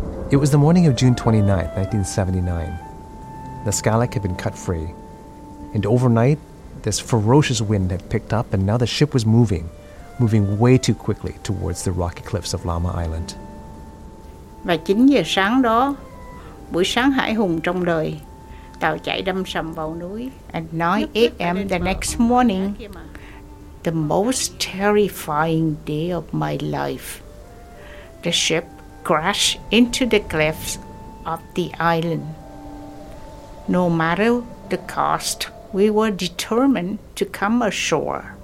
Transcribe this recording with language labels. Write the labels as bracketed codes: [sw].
[en] It was the morning of June 29, 1979. The Skyluck had been cut free. And overnight, this ferocious wind had picked up and now the ship was moving way too quickly towards the rocky cliffs of Lama Island. [vi] Và 9 giờ sáng đó, buổi sáng hải hùng trong đời, tàu chạy đâm sầm vào núi. [en] At 9 a.m. the next morning, the most terrifying day of my life, the ship crashed into the cliffs of the island. No matter the cost, we were determined to come ashore.